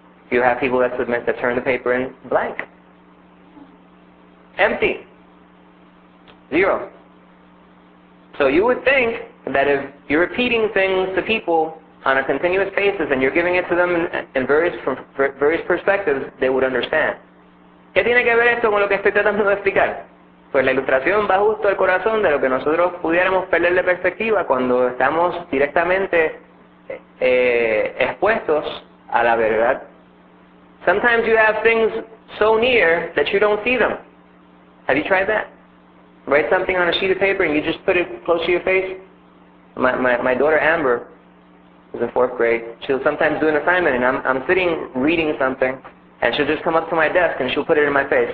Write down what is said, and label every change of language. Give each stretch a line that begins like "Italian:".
English: You have people that submit, that turn the paper in blank. Empty. Zero. So you would think that if you're repeating things to people on a continuous basis and you're giving it to them in various, from various perspectives, they would understand.
Spanish: ¿Qué tiene que ver esto con lo que estoy tratando de explicar? Pues la ilustración va justo al corazón de lo que nosotros pudiéramos perder de perspectiva cuando estamos directamente expuestos a la verdad.
English: Sometimes you have things so near that you don't see them. Have you tried that? Write something on a sheet of paper and you just put it close to your face. My daughter Amber is in fourth grade. She'll sometimes do an assignment and I'm sitting reading something and she'll just come up to my desk and she'll put it in my face.